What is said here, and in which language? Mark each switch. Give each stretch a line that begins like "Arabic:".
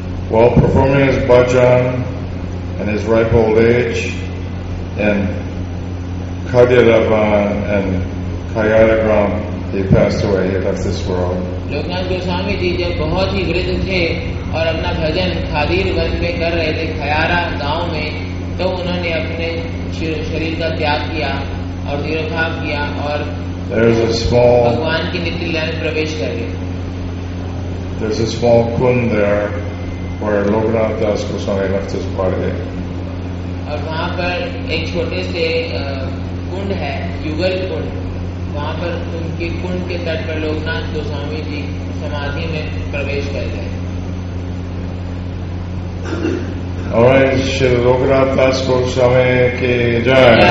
English: While performing his bhajan in his ripe old age and Kadiravan and Kayaragram, he passed away. He left this world.
Hindi: Loknath Goswami ji, जब बहुत ही वृद्ध थे और अपना भजन खादीरगंज में कर रहे थे खयारा गांव में, तो उन्होंने अपने शरीर का त्याग किया और तिरुभाव किया और भगवान की नित्य लय में प्रवेश कर गए.
English: There's a small kund there where Loknath Das Goswami left his body.
Hindi: और वहां पर एक छोटे से कुंड है, युगल कुंड, वहां पर उनके कुंड के तट पर लोकनाथ गोस्वामी जी समाधि में प्रवेश कर गए. ऑलराइट, श्री लोकनाथ दास गोस्वामी की जय.